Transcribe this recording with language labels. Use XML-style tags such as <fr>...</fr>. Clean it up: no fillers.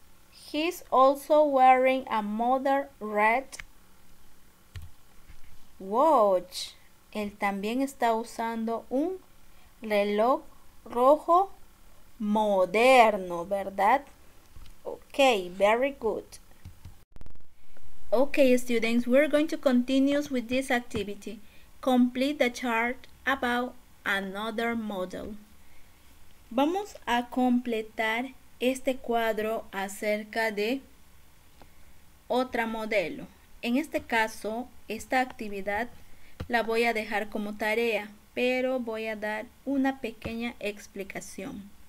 <en>He's also wearing a modern red watch.</en> <es>Él también está usando un reloj rojo moderno, ¿verdad?</es> <en>Ok, very good. Ok, students, we're going to continue with this activity. Complete the chart about another model.</en> <es>Vamos a completar este cuadro acerca de otra modelo. En este caso, esta actividad la voy a dejar como tarea, pero voy a dar una pequeña explicación.</es>